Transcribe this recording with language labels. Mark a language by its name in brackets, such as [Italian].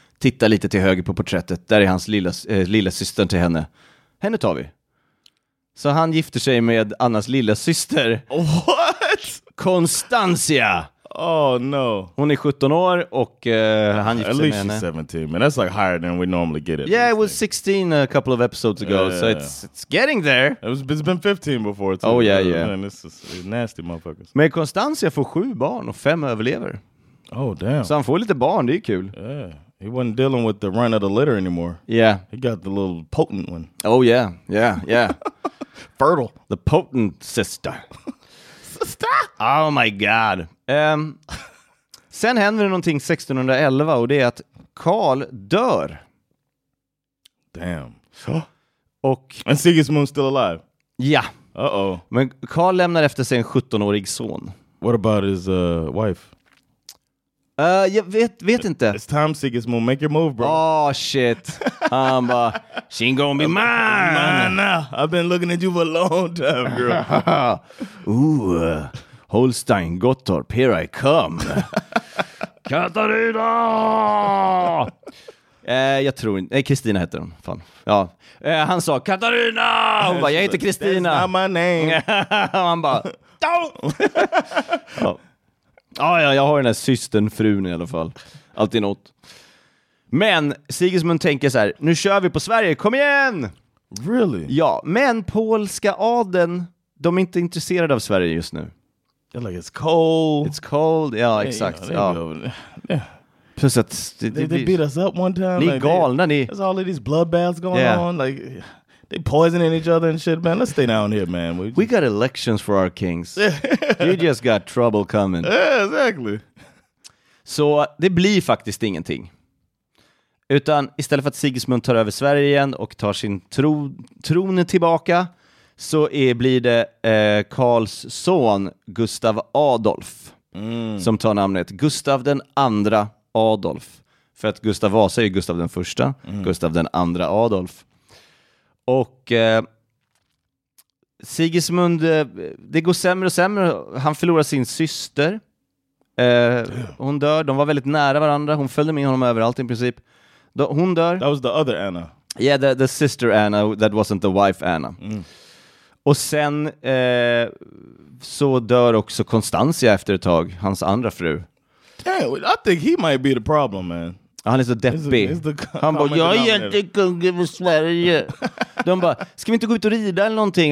[Swedish] Tittar lite till höger på porträttet. Där är hans lilla syster till henne. Henne tar vi. Så han gifter sig med Annas lilla syster. [English] What? Constantia. Oh no. [Swedish] Hon är 17 år och han gifte sig med henne. [English] At least she's 17, man. That's like higher than we normally get it. Yeah, it was 16 a couple of episodes ago, yeah. So it's getting there. It's been 15 before too. Oh yeah, yeah. Man, it's nasty motherfuckers. [Swedish] Men Constantia får 7 barn och 5 överlever. [English] Oh damn. [Swedish] Så han får lite barn, det är kul. [English] Yeah. He wasn't dealing with the run of the litter anymore. Yeah. He got the little potent one. Oh, yeah. Yeah, yeah. Fertile. The potent sister. Sister! Oh, my God. [Swedish] Sen händer det någonting 1611 och det är att Karl dör. [English] Damn. [Swedish] Och... [English] And Sigismund's still alive. Yeah. Uh-oh. Men Karl lämnar efter sig en 17-årig son. What about his wife? [Swedish] Jag vet inte. [English] It's time, Sigismund. Make your move, bro. Oh, shit. She ain't gonna be mine. Nah, I've been looking at you for a long time, girl. Ooh, Holstein Gottorp, here I come. Katarina! [Swedish] Jag tror inte. Nej, Kristina heter hon. Fan. Ja. Han sa, Katarina! Hon bara, jag heter Kristina. [English] That's not my name. [Swedish] Och han bara, [English] don't! [Swedish] Ja, jag har den här systern, frun i alla fall. Alltid något. Men Sigismund tänker så här, nu kör vi på Sverige, kom igen! [English] Really? [Swedish] Ja, men polska adeln, de är inte intresserade av Sverige just nu. [English] They're like, it's cold. It's cold, ja, yeah, exakt. You know, yeah. [Swedish] Plus att... [English] They beat us up one time. [Swedish] Ni är galna, ni... [English] There's all of these bloodbaths going on, like... They poisoning each other and shit, man. Let's stay down here, man. We got elections for our kings. You just got trouble coming. Yeah, exactly. [Swedish] Så det blir faktiskt ingenting. Utan istället för att Sigismund tar över Sverige igen och tar sin tron tillbaka så blir det Karls son Gustav Adolf som tar namnet Gustav den andra Adolf. För att Gustav Vasa är Gustav den första. Mm. Gustav den andra Adolf. Och Sigismund, det går sämre och sämre. Han förlorar sin syster. Hon dör. De var väldigt nära varandra. Hon följde med honom överallt i princip. Hon dör. [English] That was the other Anna. Yeah, the sister Anna. That wasn't the wife Anna. Mm. [Swedish] Och sen så dör också Constantia efter ett tag. Hans andra fru. [English] Damn, I think he might be the problem, man. [Swedish] Han är så deppig. Han bara, jag är inte kung i Sverige. De bara, ska vi inte gå ut och rida eller någonting?